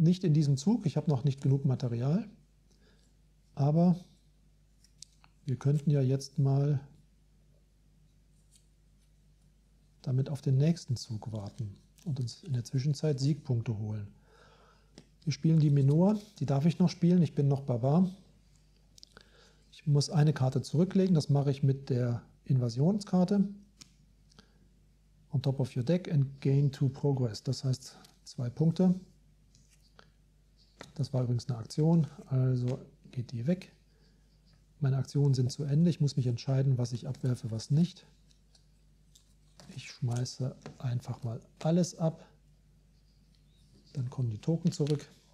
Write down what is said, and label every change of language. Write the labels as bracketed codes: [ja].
[de] Nicht in diesem Zug, ich habe noch nicht genug Material. Aber wir könnten ja jetzt mal damit auf den nächsten Zug warten und uns in der Zwischenzeit Siegpunkte holen. Wir spielen die Minor, die darf ich noch spielen, ich bin noch Barbar. Ich muss eine Karte zurücklegen, das mache ich mit der Invasionskarte. [en] On top of your deck and gain two progress. [de] Das heißt zwei Punkte. Das war übrigens eine Aktion, also geht die weg. Meine Aktionen sind zu Ende, ich muss mich entscheiden, was ich abwerfe, was nicht. Ich schmeiße einfach mal alles ab. Dann kommen die Token zurück.